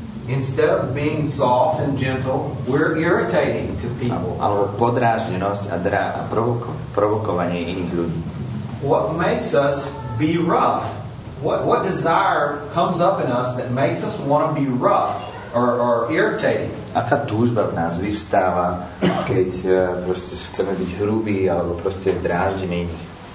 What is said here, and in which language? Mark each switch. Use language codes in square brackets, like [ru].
[en] Instead of being soft and gentle, we're irritating to people. [sk] Alebo podráždenosť a provokovanie iných ľudí. [en] What makes us be rough? What desire comes up in us that makes us want to be rough or irritating? [sk] Aká túžba v nás vyvstáva, keď proste chceme byť hrubí alebo proste dráždení iných?